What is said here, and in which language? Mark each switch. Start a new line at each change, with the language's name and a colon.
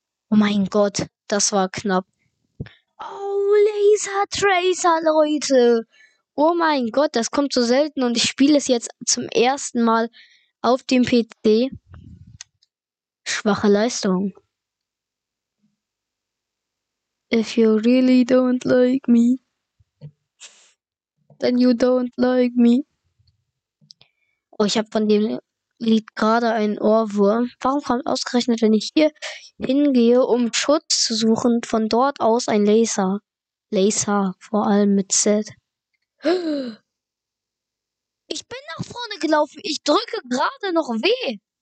German: Oh mein Gott, das war knapp. Oh, Laser Tracer, Leute. Oh mein Gott, das kommt so selten und ich spiele es jetzt zum ersten Mal auf dem PC. Schwache Leistung.
English: If you really don't like me, then you don't like me.
German: Oh, ich habe von dem Lied gerade einen Ohrwurm. Warum kommt ausgerechnet, wenn ich hier hingehe, um Schutz zu suchen, von dort aus ein Laser? Laser, vor allem mit Z. Ich bin nach vorne gelaufen. Ich drücke gerade noch W.